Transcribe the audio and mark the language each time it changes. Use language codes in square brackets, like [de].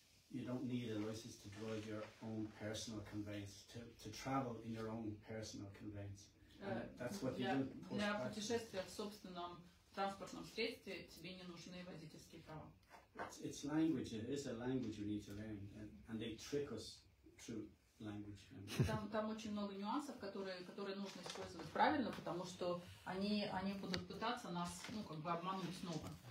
[en] You don't need a license to drive your own personal conveyance, to travel in your own personal conveyance. That's what [ru] для, [en] you do. [ru] Для путешествия в собственном транспортном средстве тебе не нужны водительские права. [en] It's language, it is a language you need to learn, and they trick us through language. [ru] Там очень много нюансов, которые нужно использовать правильно, потому что они будут пытаться нас, ну, как бы обмануть снова.